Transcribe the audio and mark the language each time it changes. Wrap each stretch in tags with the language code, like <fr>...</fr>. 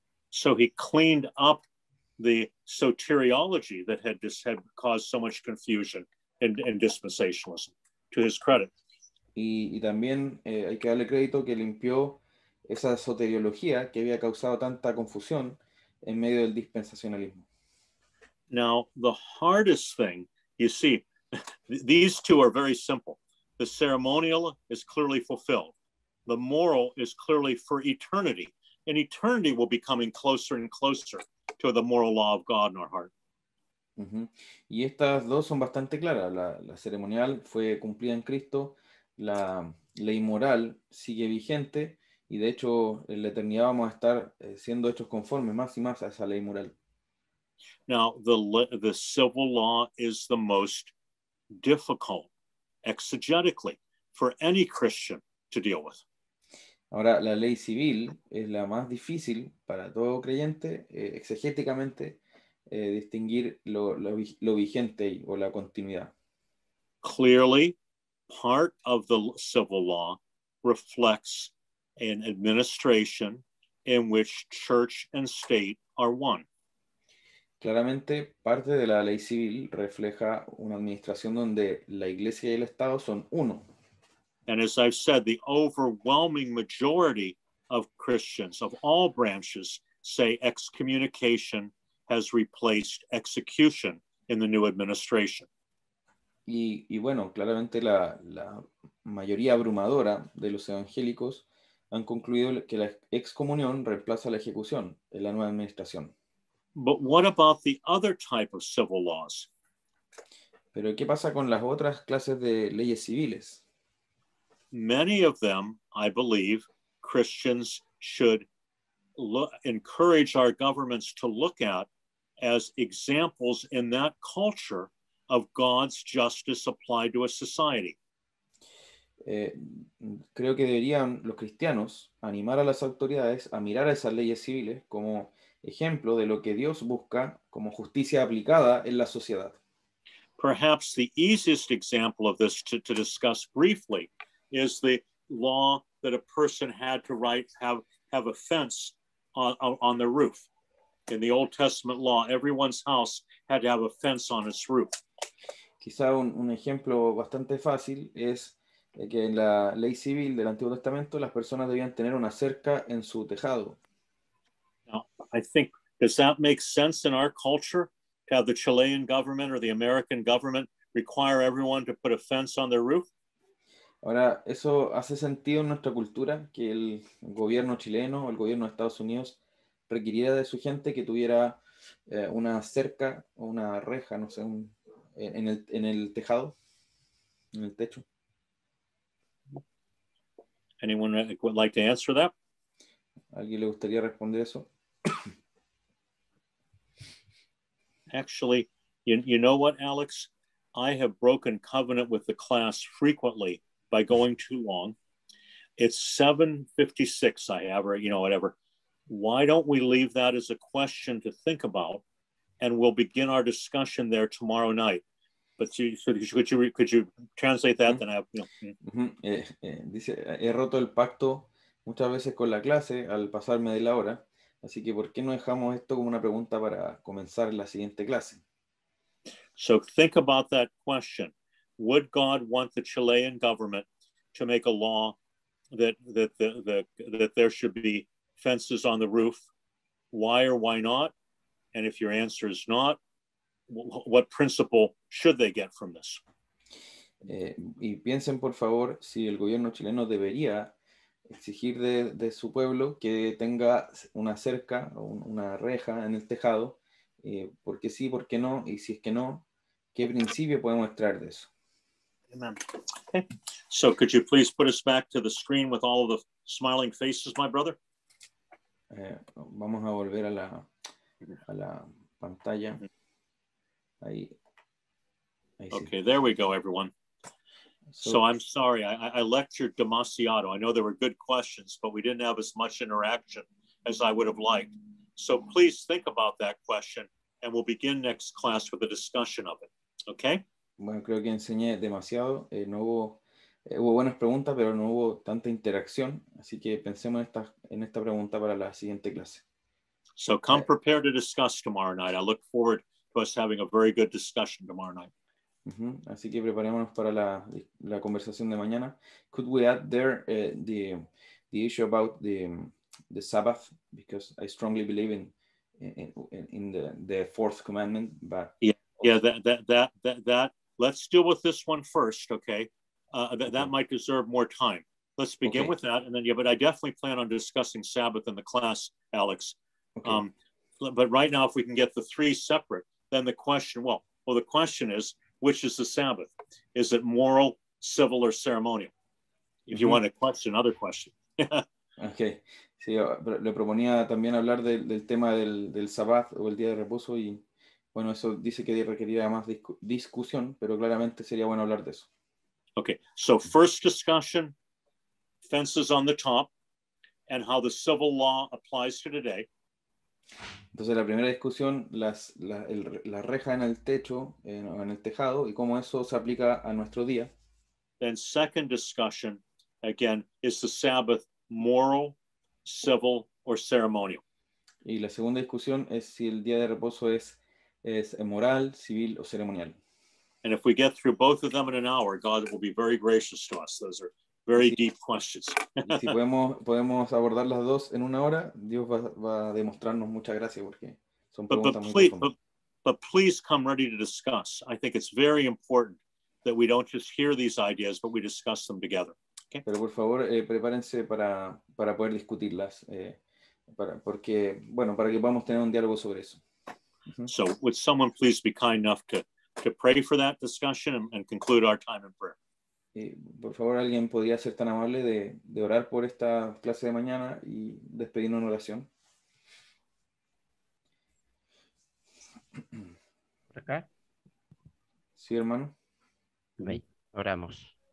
<en>So he cleaned up the soteriology that had caused so much confusion in dispensationalism, to his credit.</en> <es>Y también hay que darle crédito que limpió esa soteriología que había causado tanta confusión en medio del dispensacionalismo.</es> <en>Now, the hardest thing, you see, these two are very simple. The ceremonial is clearly fulfilled. The moral is clearly for eternity. And eternity will be coming closer and closer to the moral law of God in our heart.</en> <es>Mm-hmm. Y estas dos son bastante claras. La ceremonial fue cumplida en Cristo. La ley moral sigue vigente. Y de hecho, en la eternidad vamos a estar siendo hechos conformes más y más a esa ley moral.</es> <en>Now, the civil law is the most difficult, exegetically, for any Christian to deal with.</en> <es>Ahora, la ley civil es la más difícil para todo creyente, exegéticamente, distinguir lo vigente o la continuidad.</es> <en>Clearly, part of the civil law reflects an administration in which church and state are one.</en> <es>Claramente, parte de la ley civil refleja una administración donde la iglesia y el Estado son uno.</es> <en>And as I've said, the overwhelming majority of Christians of all branches say excommunication has replaced execution in the new administration.</en> <es>Y bueno, claramente la mayoría abrumadora de los evangélicos han concluido que la excomunión reemplaza la ejecución en la nueva administración.</es> <en>But what about the other type of civil laws?</en> <es>¿Pero qué pasa con las otras clases de leyes civiles?</es> <en>Many of them, I believe, Christians should encourage our governments to look at as examples in that culture of God's justice applied to a society.</en> <es>Creo que deberían los cristianos animar a las autoridades a mirar esas leyes civiles como ejemplo de lo que Dios busca como justicia aplicada en la sociedad.</es> <en>Perhaps the easiest example of this to discuss briefly is the law that a person had to write have a fence on the roof. in the Old Testament law, everyone's house had to have a fence on its roof.</en> <es>Quizá un ejemplo bastante fácil es que en la ley civil del Antiguo Testamento las personas debían tener una cerca en su tejado.</es> <en>Now, I think, does that make sense in our culture to have the Chilean government or the American government require everyone to put a fence on their roof?</en> <es>Ahora, ¿eso hace sentido en nuestra cultura que el gobierno chileno o el gobierno de Estados Unidos requiriera de su gente que tuviera una cerca o una reja, no sé, en el tejado, en el techo?</es> <en>Anyone would like to answer that?</en> <es>¿Alguien le gustaría responder eso?</es> <en>Actually, you know what, Alex? I have broken covenant with the class frequently by going too long. It's 7:56, I have, or, you know, whatever. Why don't we leave that as a question to think about, and we'll begin our discussion there tomorrow night. But could you translate that? Mm-hmm. Then I have, you know. Mm-hmm.</en> <es>Dice, he roto el pacto muchas veces con la clase al pasarme de la hora. Así que, ¿por qué no dejamos esto como una pregunta para comenzar la siguiente clase?</es> <en>So think about that question. Would God want the Chilean government to make a law that there should be fences on the roof? Why or why not? And if your answer is not, what principle should they get from this?</en> <es>Y piensen, por favor, si el gobierno chileno debería exigir de su pueblo que tenga una cerca o una reja en el tejado, ¿por qué sí, por qué no? Y si es que no, ¿qué principio podemos extraer de eso? Amen. Okay.</es> <en>So, could you please put us back to the screen with all of the smiling faces, my brother?</en> <es>Vamos a volver a la pantalla. Ahí. Ahí sí.</es> <en>Okay, there we go, everyone. So I'm sorry, I lectured demasiado. I know there were good questions, but we didn't have as much interaction as I would have liked. So please think about that question, and we'll begin next class with a discussion of it, okay?</en> <es>Bueno, creo que enseñé demasiado. Hubo buenas preguntas, pero no hubo tanta interacción. Así que pensemos en esta pregunta para la siguiente clase.</es> <en>So come prepared to discuss tomorrow night. I look forward to us having a very good discussion tomorrow night. Uh-huh.</en> <es>Así que preparémonos para la conversación de mañana.</es> <en>Could we add there the issue about the Sabbath, because I strongly believe in the fourth commandment, but that let's deal with this one first, okay? That might deserve more time. Let's begin with that, and then but I definitely plan on discussing Sabbath in the class, Alex. Okay. But right now, if we can get the three separate, then the question, the question is, which is the Sabbath? Is it moral, civil, or ceremonial? If you want to question, another question. Okay.</en> <es>Sí, le proponía también hablar del tema del Sabbath o el día de reposo, y bueno, eso dice que requeriría más discusión, pero claramente sería bueno hablar de eso. Okay.</es> <en>So first discussion, fences on the top, and how the civil law applies to today.</en> <es>Entonces, la primera discusión, la reja en el techo, en el tejado, y cómo eso se aplica a nuestro día.</es> <en>Then second discussion, again, is the Sabbath moral, civil, or ceremonial?</en> <es>Y la segunda discusión es si el día de reposo es moral, civil, o ceremonial.</es> <en>And if we get through both of them in an hour, God will be very gracious to us. Those are very deep questions.</en> <es>Si podemos abordar las dos en una hora, Dios va a demostrarnos mucha gracia, porque son preguntas muy profundas.</es> <en>But please come ready to discuss. I think it's very important that we don't just hear these ideas, but we discuss them together. Okay?</en> <es>Pero por favor, prepárense para poder discutirlas, para que podamos tener un diálogo sobre eso.</es> <en>So would someone please be kind enough to pray for that discussion and conclude our time in prayer?</en> <es>Por favor, alguien podría ser tan amable de orar por esta clase de mañana y despedirnos en oración. ¿Por acá? Sí, hermano. Bien, oramos.</es>